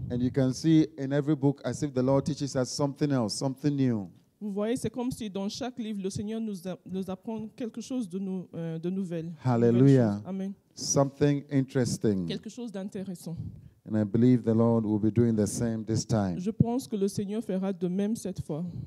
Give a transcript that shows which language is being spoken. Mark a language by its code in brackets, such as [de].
[en] And you can see in every book as if the Lord teaches us something else, something new. [fr] Vous voyez, c'est comme si dans chaque livre le Seigneur nous apprend quelque chose de nouvelle. [en] Hallelujah. Amen. Something interesting. [fr] Quelque chose d'intéressant. [en] And I believe the Lord will be doing the same this time. [fr] Je pense que le Seigneur fera de même cette fois.